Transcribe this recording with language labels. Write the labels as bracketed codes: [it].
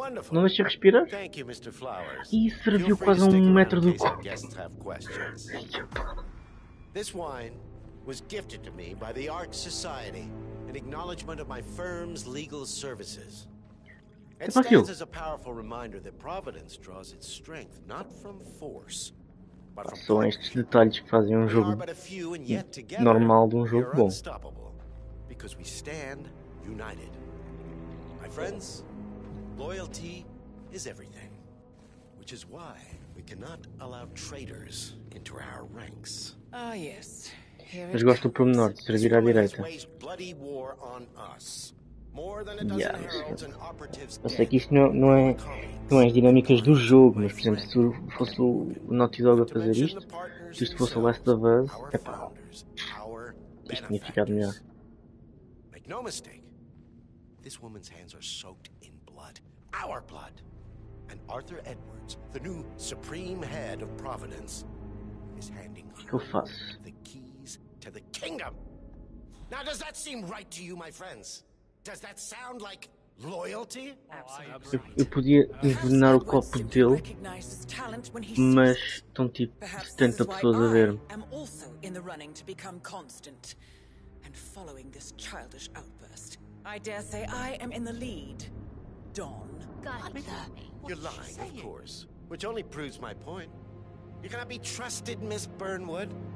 [pt] Não deixe respirar. E serviu quase um metro do copo. [en] This wine was gifted to me by the Ark Society in acknowledgement of my firm's legal services. It stands as a powerful reminder that Providence draws its strength not from force, but from [pt] só estes detalhes que fazem um jogo normal de um jogo bom. [en] Because we stand united. My friends, loyalty is everything, which is why we cannot allow traitors into our ranks. Ah, yes. [pt] Mas gosto do pormenor de servir à direita. Eu sei que isto não é as dinâmicas do jogo, mas por exemplo, se fosse o Naughty Dog a fazer isto, se isto fosse o Last of Us, epá, isto tinha ficado melhor. [en] Make no mistake, this woman's hands are soaked in blood, our blood. And Arthur Edwards, the new supreme head of Providence, is handing her the keys to the kingdom. Now, does that seem right to you, my friends? Does that sound like loyalty? [pt] Eu podia envenenar o copo dele, mas estão tipo 70 pessoas a ver. [en] I'm also in the running to become constant and following this childish outburst. I dare say I am in the lead. Dawn. You're lying, of course, which only proves my point. You cannot be trusted, Miss Burnwood.